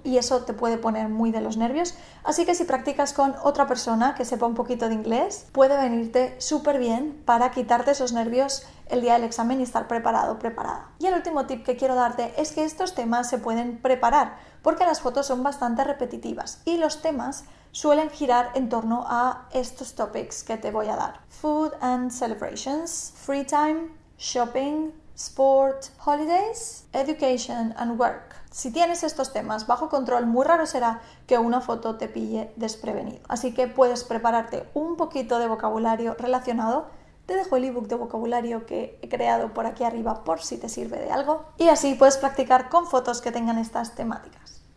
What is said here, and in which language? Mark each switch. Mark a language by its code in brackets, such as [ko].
[es] Y eso te puede poner muy de los nervios. Así que si practicas con otra persona que sepa un poquito de inglés, puede venirte súper bien para quitarte esos nervios el día del examen y estar preparado, preparada. Y el último tip que quiero darte es que estos temas se pueden preparar, porque las fotos son bastante repetitivas y los temas suelen girar en torno a estos topics que te voy a dar. [en] Food and celebrations, free time, shopping, sport, holidays, education and work. [es] Si tienes estos temas bajo control, muy raro será que una foto te pille desprevenido. Así que puedes prepararte un poquito de vocabulario relacionado. Te dejo el ebook de vocabulario que he creado por aquí arriba por si te sirve de algo. Y así puedes practicar con fotos que tengan estas temáticas.